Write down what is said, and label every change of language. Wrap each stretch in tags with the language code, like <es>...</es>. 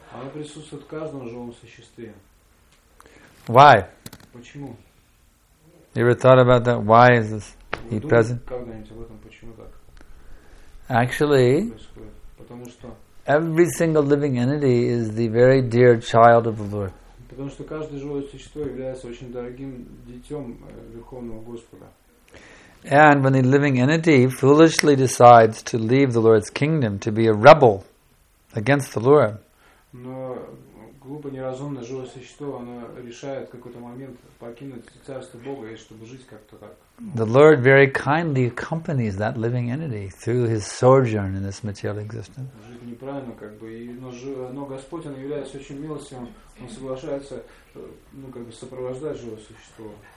<ru>Она присутствует в каждом живом существе.</ru> <en>Why?</en> <ru>Почему?</ru> <en>You ever thought about that? Why is this he present?</en> <ru>Когда-нибудь об этом, почему так?</ru> <en>Actually,</en> <ru>потому что</ru> <en>every single living entity is the very dear child of the Lord.</en> <ru>Потому что каждое живое существо является очень дорогим детем Верховного Господа.</ru> <en>And when the living entity foolishly decides to leave the Lord's kingdom to be a rebel against the Lord,</en> <ru>но глупо неразумно живое существо, оно решает в какой-то момент покинуть царство Бога, и чтобы жить как-то так.</ru> <en>The Lord very kindly accompanies that living entity through his sojourn in this material existence.</en> <ru>Жить неправильно, как бы, но Господь, он является очень милостивым, он соглашается, ну, как бы, сопровождать живое существо.</ru>